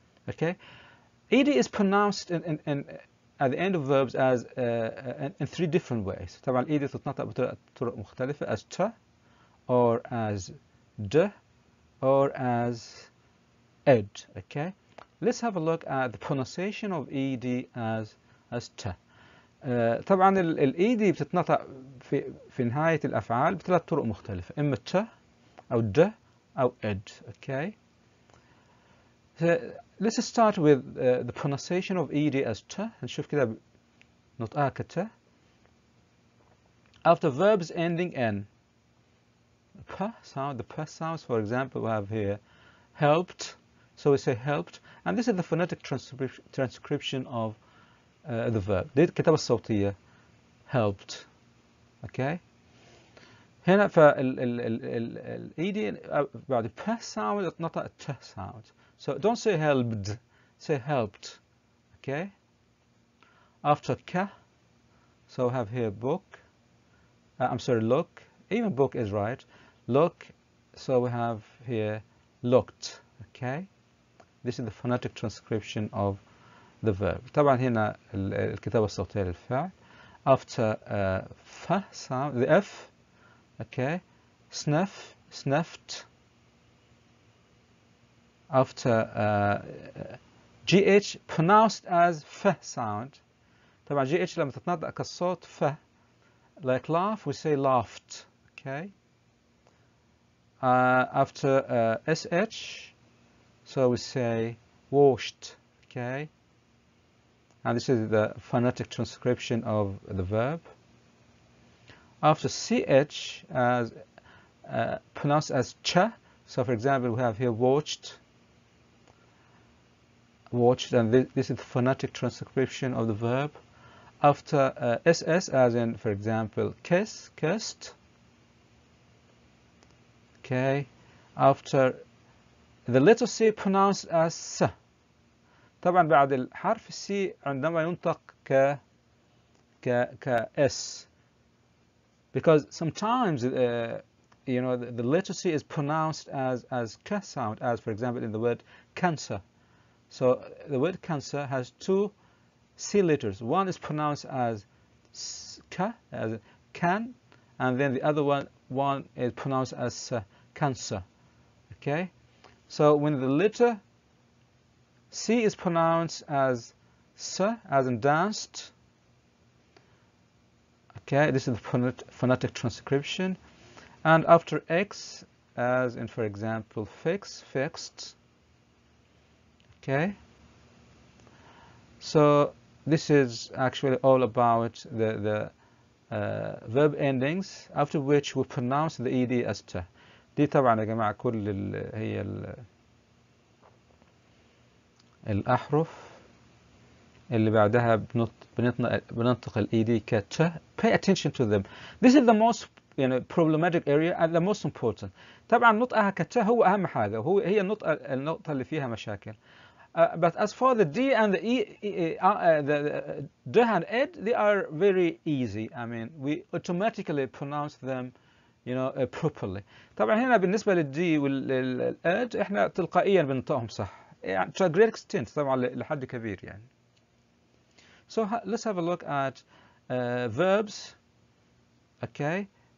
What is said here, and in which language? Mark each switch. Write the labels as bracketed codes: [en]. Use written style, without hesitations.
[en] Okay, ed is pronounced in at the end of verbs as in three different ways. [ar] طبعا ed تتنطق بطرق مختلفة [en] as ت or as د or as ed. Okay, let's have a look at the pronunciation of ed as ت. [ar] طبعا ال ed بتتنطق في نهاية الأفعال بثلاث طرق مختلفة إما ت أو د أو ed. [en] Okay. Let's start with the pronunciation of ed as t. [ar] نشوف كده نطقها كت. [en] After verbs ending in p sound, the p sounds, for example, we have here helped. So we say helped, and this is the phonetic transcription of the verb. [ar] دي الكتابة الصوتية helped. [en] Okay. [ar] هنا فال ed بعد p sound نطق t sound. [en] So don't say helped, say helped. Okay. After ka, so we have here book. I'm sorry, look. Even book is right. Look, so we have here looked. Okay. This is the phonetic transcription of the verb. [ar] طبعا هنا الكتابة الصوتية للفعل. [en] After f sound, the f. Okay. Sniff, sniffed. After gh pronounced as f sound. [ar] طبعا gh لما تتنطق كصوت ف. [en] Like laugh we say laughed. Okay. After sh so we say washed. Okay. And this is the phonetic transcription of the verb. After ch as pronounced as ch. So for example we have here watched. Watched, and this is the phonetic transcription of the verb. After SS, as in, for example, kiss, kissed. Okay. After the letter C pronounced as S. [ar] طبعا بعد الحرف C عندما ينطق ك ك ك S. [en] Because sometimes, you know, the letter C is pronounced as K sound, as for example, in the word cancer. So the word cancer has two C letters. One is pronounced as k, as can, and then the other one is pronounced as cancer. Okay. So when the letter C is pronounced as s, as in danced. Okay. This is the phonetic transcription, and after X, as in for example fix, fixed. Okay, so this is actually all about the verb endings after which we pronounce the ed as t. [ar] دي طبعا يا جماعة كل هي الأحرف اللي بعدها بننطق ال ed ك t. [en] Pay attention to them. This is the most you know, problematic area and the most important. [ar] طبعا نطقها ك t هو أهم حاجة وهو هي النقطة اللي فيها مشاكل. [en] But as for the D and the E, the D and ed, they are very easy. I mean, we automatically pronounce them, you know, properly. [ar] طبعا هنا بالنسبة للD والED إحنا تلقائيا بننطقهم صح. [en] To a great extent, [ar] طبعا لحد كبير يعني. [en] So let's have a look at verbs. Okay.